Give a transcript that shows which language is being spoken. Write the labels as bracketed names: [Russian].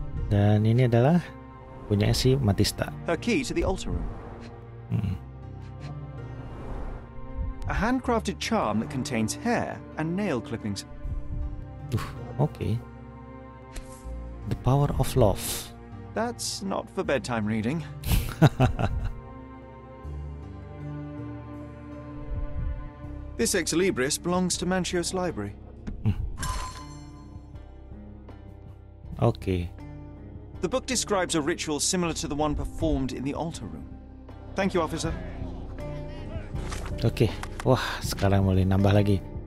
[Indonesian] Dan ini adalah punya si Matista. [English] Her key to the altar room. A handcrafted charm that contains hair and nail clippings. Okay. The power of love. That's not for bedtime reading. This ex libris belongs to Mancio's library. Okay. The book describes a ritual similar to the one performed in the altar room. Thank you, officer. Okay. [Indonesian] Wah, sekarang mulai nambah lagi.